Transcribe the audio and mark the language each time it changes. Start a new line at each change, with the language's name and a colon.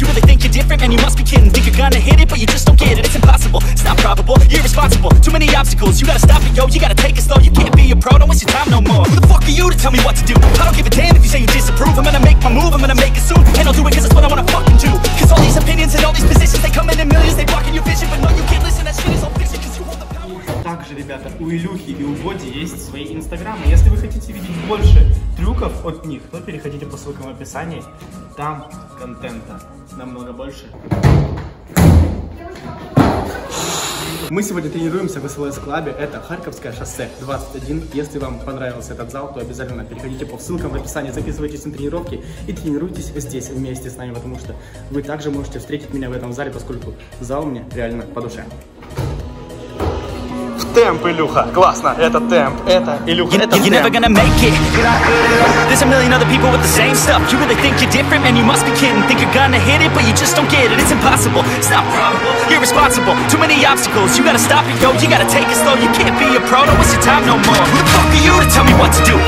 English: You really think you're different, man, you must be kidding. Think you're gonna hit it, but you just don't get it. It's impossible, it's not probable, you're irresponsible. Too many obstacles, you gotta stop it, yo. You gotta take it slow, you can't be a pro. Don't waste your time no more. Who the fuck are you to tell me what to do? I don't give a damn if you say you disapprove. I'm gonna make my move, I'm gonna make it soon. And I'll do it cause it's what I wanna fucking do. Cause all these opinions and all these positions, they come in millions, they blocking your vision. But no, you can't listen, that shit is all fiction.
Russian: Также, ребята, у Илюхи и у Боди есть свои инстаграмы. Если вы хотите видеть больше трюков от них, то переходите по ссылкам в описании. Там контента намного больше. Мы сегодня тренируемся в СЛС Клабе. Это Харьковское шоссе 21. Если вам понравился этот зал, то обязательно переходите по ссылкам в описании, записывайтесь на тренировки и тренируйтесь здесь вместе с нами, потому что вы также можете встретить меня в этом зале, поскольку зал мне реально по душе. Темп, Илюха. Классно. Это темп. Это Илюха. Это
English: you're never gonna make it. There's a million other people with the same stuff. You really think you're different, man, you must be kidding. Think you're gonna hit it, but you just don't get it. It's impossible. It's not probable. Irresponsible. Too many obstacles. You gotta stop it, yo. You gotta take it slow. You can't be a pro. Don't waste your time no more. Who the fuck are you to tell me what to do?